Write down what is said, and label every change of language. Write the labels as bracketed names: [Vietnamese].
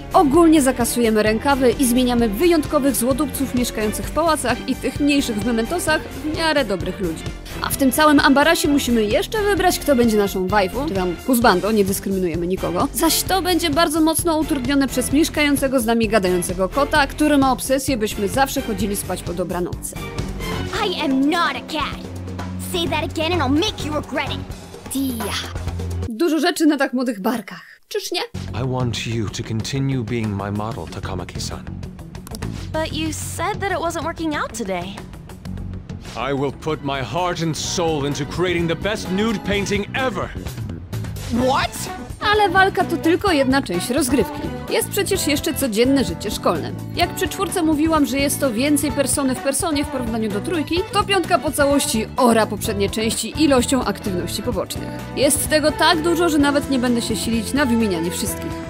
[Polish] Ogólnie zakasujemy rękawy i zmieniamy wyjątkowych złodupców mieszkających w pałacach i tych mniejszych w Mementosach w miarę dobrych ludzi. A w tym całym ambarasie musimy jeszcze wybrać, kto będzie naszą waifu, czy tam husbando, nie dyskryminujemy nikogo. Zaś to będzie bardzo mocno utrudnione przez mieszkającego z nami gadającego kota, który ma obsesję, byśmy zawsze chodzili spać po dobranocy. [English] I am not a cat! Say that again and I'll make you regret it! [Polish] Dużo rzeczy na tak młodych barkach. Czyż nie? [English] I want you to continue being my model, Takamaki-san. But you said that it wasn't working out today. I will put my heart and soul into creating the best nude painting ever. What? [Polish] Ale walka to tylko jedna część rozgrywki. Jest przecież jeszcze codzienne życie szkolne. Jak przy czwórce mówiłam, że jest to więcej persony w personie w porównaniu do trójki, to piątka po całości ora poprzednie części ilością aktywności pobocznych. Jest tego tak dużo, że nawet nie będę się silić na wymienianie wszystkich.